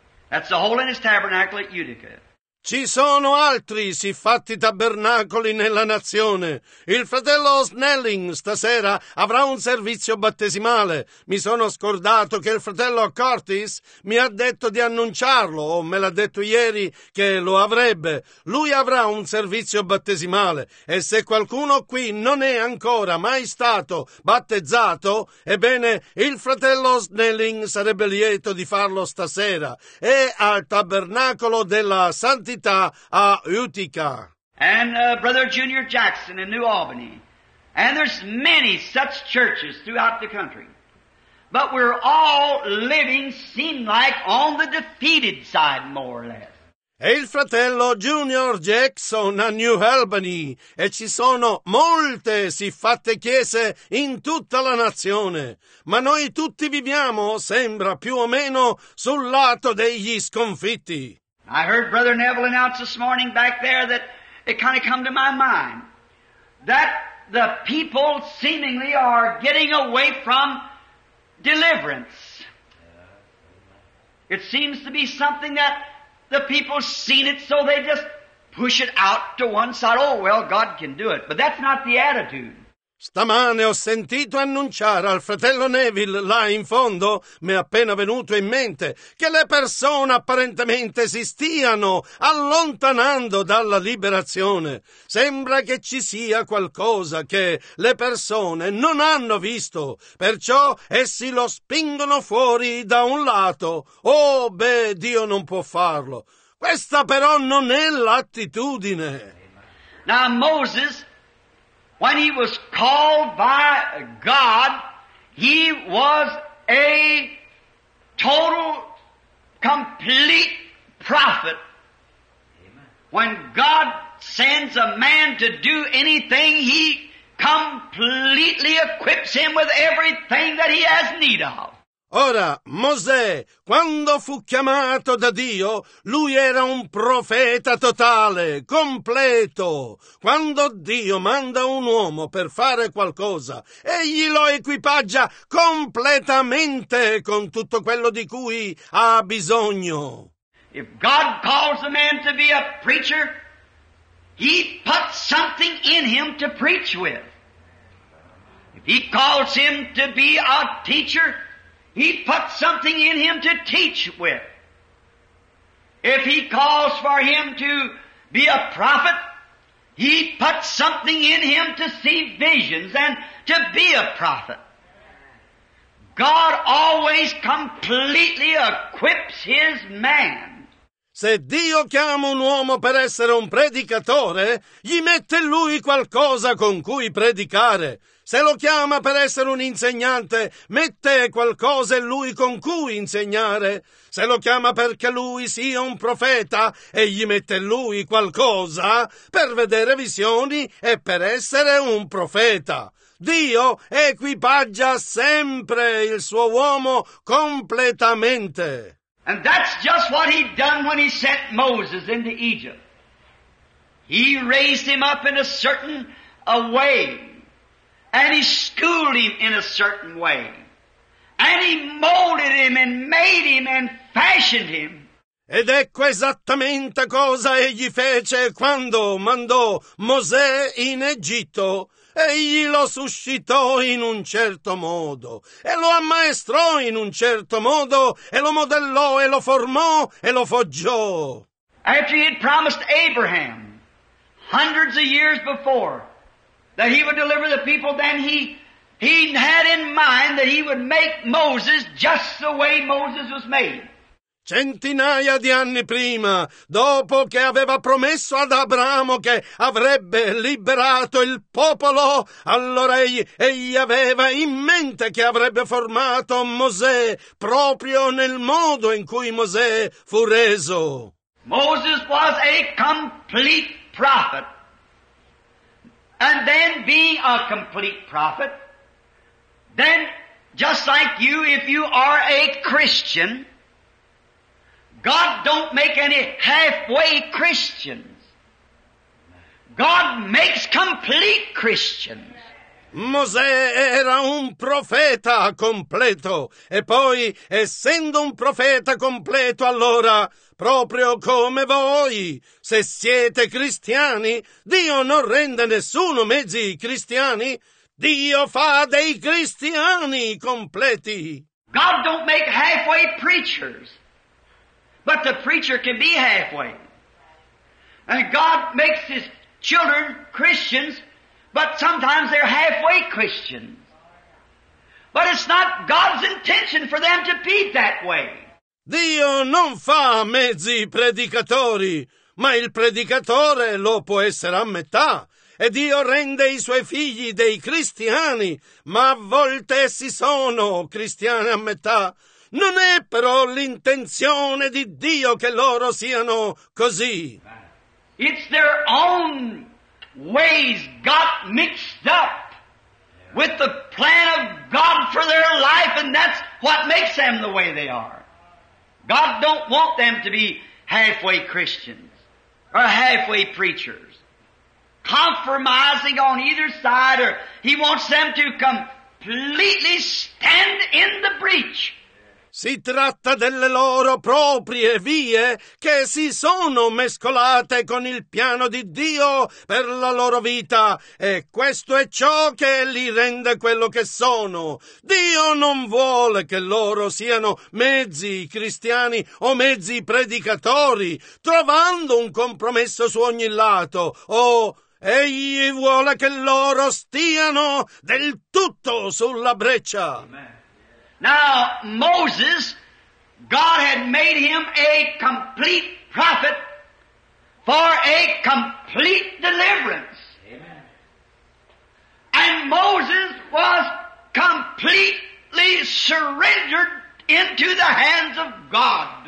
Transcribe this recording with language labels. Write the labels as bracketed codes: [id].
[en] That's the Holiness Tabernacle at Utica. [it] Ci sono altri siffatti tabernacoli nella nazione. Il fratello Snelling stasera avrà un servizio battesimale. Mi sono scordato che il fratello Curtis mi ha detto di annunciarlo, o me l'ha detto ieri che lo avrebbe. Lui avrà un servizio battesimale. E se qualcuno qui non è ancora mai stato battezzato, ebbene il fratello Snelling sarebbe lieto di farlo stasera. E al tabernacolo della Santa a Utica. [en] And Brother Junior Jackson in New Albany. And there's many such churches throughout the country. But we're all living, seem like, on the defeated side, more or less. [it] e il fratello Junior Jackson a New Albany, e ci sono molte siffatte chiese in tutta la nazione, ma noi tutti viviamo, sembra, più o meno sul lato degli sconfitti. [en] I heard Brother Neville announce this morning back there that it kind of come to my mind that the people seemingly are getting away from deliverance. It seems to be something that the people seen it, so they just push it out to one side. Oh, well, God can do it. But that's not the attitude. [it] Stamane ho sentito annunciare al fratello Neville, là in fondo, mi è appena venuto in mente, che le persone apparentemente si stiano allontanando dalla liberazione. Sembra che ci sia qualcosa che le persone non hanno visto, perciò essi lo spingono fuori da un lato. Oh, beh, Dio non può farlo. Questa però non è l'attitudine. [en] Now, Moses, when he was called by God, he was a total, complete prophet. Amen. When God sends a man to do anything, he completely equips him with everything that he has need of. [it] Ora, Mosè, quando fu chiamato da Dio, lui era un profeta totale, completo. Quando Dio manda un uomo per fare qualcosa, egli lo equipaggia completamente con tutto quello di cui ha bisogno. [en] If God calls a man to be a preacher, he puts something in him to preach with. If he calls him to be a teacher, he puts something in him to teach with. If he calls for him to be a prophet, he puts something in him to see visions and to be a prophet. God always completely equips his man. [it] Se Dio chiama un uomo per essere un predicatore, gli mette lui qualcosa con cui predicare. Se lo chiama per essere un insegnante, mette qualcosa in lui con cui insegnare. Se lo chiama perché lui sia un profeta, e gli mette lui qualcosa per vedere visioni e per essere un profeta. Dio equipaggia sempre il suo uomo completamente. [en] And that's just what he'd done when he sent Moses into Egypt. He raised him up in a certain way, and he schooled him in a certain way, and he molded him and made him and fashioned him. [it] Ed ecco esattamente cosa egli fece quando mandò Mosè in Egitto. Egli lo suscitò in un certo modo, e lo ammaestrò in un certo modo, e lo modellò, e lo formò, e lo foggiò. [en] After he had promised Abraham, hundreds of years before, that he would deliver the people, then he had in mind that he would make Moses just the way Moses was made. [it] Centinaia di anni prima, dopo che aveva promesso ad Abramo che avrebbe liberato il popolo, allora egli aveva in mente che avrebbe formato Mosè proprio nel modo in cui Mosè fu reso. [en] Moses was a complete prophet. And then being a complete prophet, then just like you, if you are a Christian, God don't make any halfway Christians. God makes complete Christians. [it] Mosè era un profeta completo, e poi, essendo un profeta completo, allora, proprio come voi, se siete cristiani, Dio non rende nessuno mezzi cristiani, Dio fa dei cristiani completi. [en] God don't make halfway preachers. But the preacher can be halfway. And God makes his children Christians, but sometimes they're halfway Christians. But it's not God's intention for them to be that way. [it] Dio non fa mezzi predicatori, ma il predicatore lo può essere a metà. E Dio rende i suoi figli dei cristiani, ma a volte essi sono cristiani a metà. Non è però l'intenzione di Dio che loro siano così. [en] It's their own ways got mixed up with the plan of God for their life, and that's what makes them the way they are. God don't want them to be halfway Christians or halfway preachers, compromising on either side, or he wants them to completely stand in the breach. [it] Si tratta delle loro proprie vie che si sono mescolate con il piano di Dio per la loro vita, e questo è ciò che li rende quello che sono. Dio non vuole che loro siano mezzi cristiani o mezzi predicatori, trovando un compromesso su ogni lato, o egli vuole che loro stiano del tutto sulla breccia. [en] Now, Moses, God had made him a complete prophet for a complete deliverance. Amen. And Moses was completely surrendered into the hands of God.